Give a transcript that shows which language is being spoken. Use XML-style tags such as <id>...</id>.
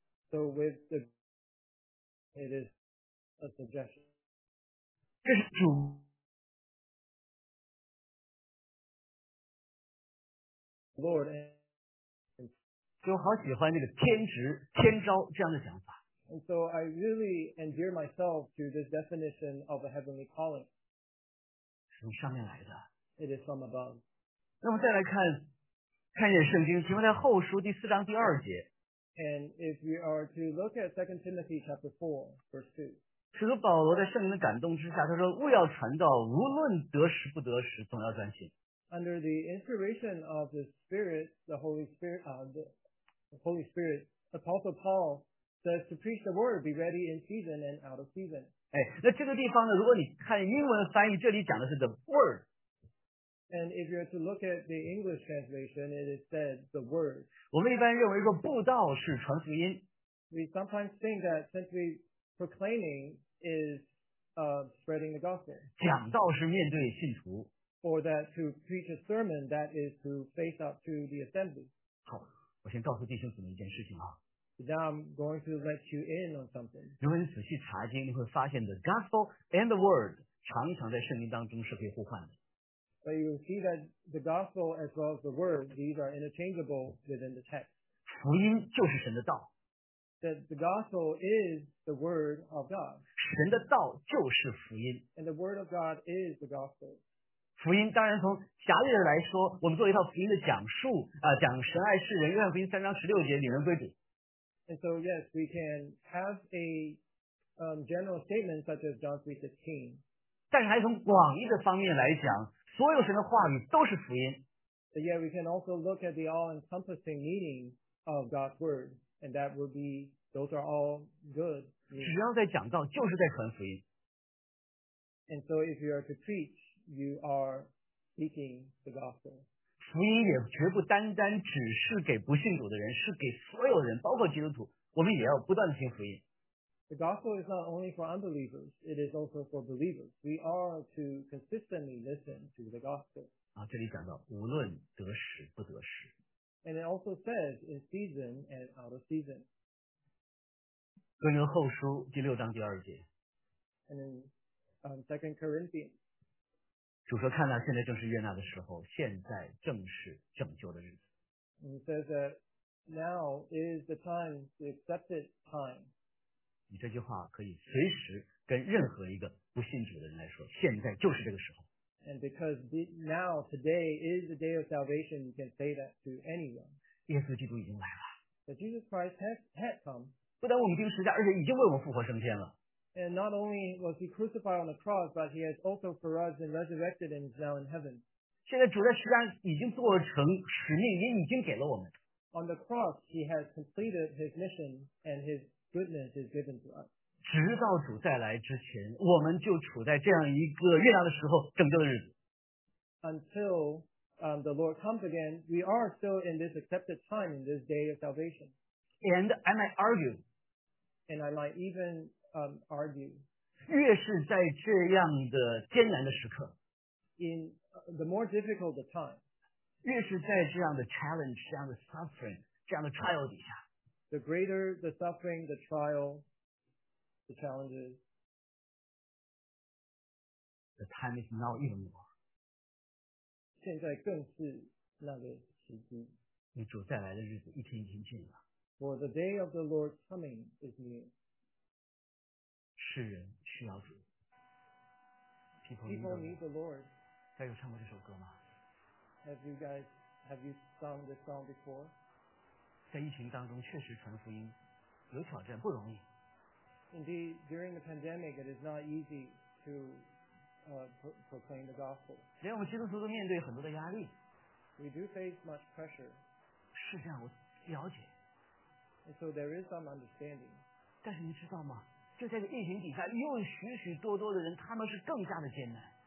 <en>So with the, it is a suggestion.</en> <zh>这是主</zh> <en>，Lord，</en> <zh>就好喜欢那个天职、天招这样的想法。</zh> <en>And so I really endear myself to this definition of a heavenly calling.</en> <zh>是从上面来的。</zh> <en>It is from above.</en> <zh>那么再来看，看见圣经，提摩太后书第四章第二节。</zh> <en>And if we are to look at 2 Timothy chapter 4, verse 2.</en> <zh>使徒保罗在圣灵的感动之下，他说：“为要传道，无论得时不得时，总要专心。”</zh> <en>Under the inspiration of the Spirit, the Holy Spirit, Apostle Paul says to preach the word, be ready in season and out of season.</en> <zh>哎，那这个地方呢？如果你看英文翻译，这里讲的是 the word。</zh> <en>And if you're to look at the English translation, it is said the word.</en> <zh>我们一般认为说布道是传福音。</zh> <en>We sometimes think that simply proclaiming is spreading the gospel.</en> <zh>讲道是面对信徒。</zh> <en>Or that to preach a sermon, that is to face up to the assembly.</en> <zh>好，我先告诉弟兄姊妹一件事情啊。</zh> <en>Now I'm going to let you in on something.</en> <zh>如果你仔细查经，你会发现</zh> <en>the gospel and the word</en> <zh>常常在圣经当中是可以互换的。</zh> <en>But you see that the gospel as well as the word, these are interchangeable within the text.</en> <zh>福音就是神的道。</zh> <en>That the gospel is the word of God.</en> <zh>神的道就是福音。</zh> <en>And the word of God is the gospel.</en> <zh>福音当然从狭义的来说，我们做一套福音的讲述，讲神爱世人，约翰福音三章十六节，领人归主。</zh> <en>And so yes, we can have a general statement such as John 3:16.</en> <zh>但是还从广义的方面来讲，所有神的话语都是福音。</zh> <en>But yet we can also look at the all-encompassing meaning of God's word, and that would be those are all good.</en> <zh>只要在讲道，就是在传福音。</zh> <en>And so if you are to preach, you are speaking the gospel.</en> <zh>福音也绝不单单只是给不信主的人，是给所有人，包括基督徒，我们也要不断的听福音。</zh> <en>The gospel is not only for unbelievers, it is also for believers. We are to consistently listen to the gospel.</en> <zh>啊，这里讲到无论得时不得时。</zh> <en>And it also says in season and out of season.</en> <zh>哥林多后书第六章第二节。</zh> <en>And in Second Corinthians.</en> <zh>主说看到现在正是悦纳的时候，现在正是拯救的日子。</zh> <en>And it says that now is the time, the accepted time.</en> <zh>你这句话可以随时跟任何一个不信主的人来说，现在就是这个时候。</zh> <en>And because now today is the day of salvation, you can say that to anyone.</en> <zh>耶稣基督已经来了。</zh> <en>But Jesus Christ had come.</en> <zh>不但为我们钉十字架，而且已经为我们复活升天了。</zh> <en>And not only was he crucified on the cross, but he has also for us been resurrected and is now in heaven.</en> <zh>现在主在十字架已经做成使命，也已经给了我们。</zh> <en>On the cross, he has completed his mission and his. Goodness is given to us.</en> <zh>直到主再来之前，我们就处在这样一个悦纳的时候，拯救的日子。</zh> <en>Until the Lord comes again, we are still in this accepted time in this day of salvation. And I might argue. And I might even argue.</en> <zh>越是在这样的艰难的时刻</zh> <en>，in the more difficult the time，</en> <zh>越是在这样的 challenge、这样的 suffering、这样的 trial 底下。</zh> <en>The greater the suffering, the trial, the challenges. The time is now even more.</en> <zh>现在更是那个时机。你主再来的日子一天一天近了。</zh> <en>For the day of the Lord's coming is near.</en> <zh>世人需要主。</zh> <en>People need the Lord.</en> <zh>大家有唱过这首歌吗？</zh> <en>Have you sung this song before?</en> <zh>在疫情当中确实传福音有挑战不容易。</zh> <en>Indeed, during the pandemic, it is not easy to proclaim the gospel.</en> <zh>连我们基督徒都面对很多的压力。</zh> <en>We do face much pressure.</en> <zh>是这样，我了解。</zh> <en>And so there is some understanding.</en> <zh>但是你知道吗？就在这疫情底下，又许许多多的人，他们是更加的艰难。</zh>